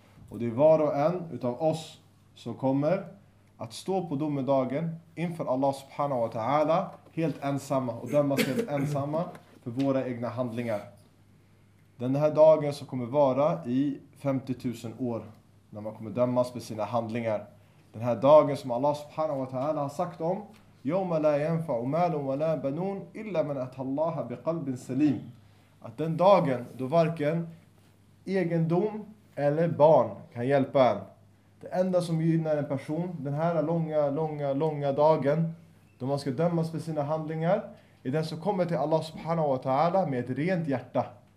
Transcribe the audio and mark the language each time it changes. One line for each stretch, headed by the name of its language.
Swedish: Och det är var och en av oss som kommer att stå på domedagen inför Allah subhanahu wa ta'ala helt ensamma och dömas helt ensamma för våra egna handlingar. Den här dagen som kommer vara i 50 000 år när man kommer dömas för sina handlingar. Den här dagen som Allah subhanahu wa ta'ala har sagt om:
Arabic: يَوْمَ لَا يَنْفَعُ مَالٌ وَلَا بَنُونَ إِلَّا مَنْ أَتَى اللَّهَ بِقَلْبٍ سَلِيمٍ.
Swedish: Att den dagen då varken egendom eller barn kan hjälpa en. Det enda som gynnar en person den här långa dagen då man ska dömas för sina handlingar är den som kommer till Allah subhanahu wa ta'ala med ett rent hjärta.